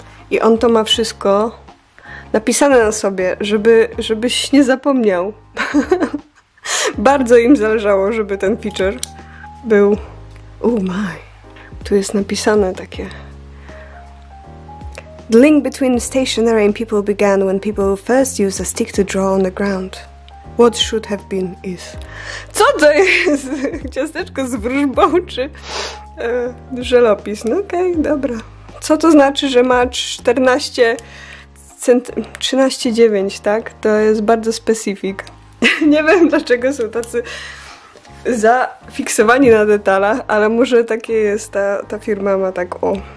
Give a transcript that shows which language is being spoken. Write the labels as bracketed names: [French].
[Polish] I on to ma wszystko napisane na sobie, żebyś nie zapomniał. Bardzo im zależało, żeby ten feature był... [English] Oh my. [Polish] Tu jest napisane takie... [English] The link between stationery and people began when people first used a stick to draw on the ground. What should have been is... [Polish] Co to jest? Ciasteczko z wróżbą czy... żelopis. No okej, okay, dobra. Co to znaczy, że ma 14... 13,9, tak? To jest bardzo specific. Nie wiem, dlaczego są tacy zafiksowani na detalach, ale może takie jest, ta firma ma tak, o.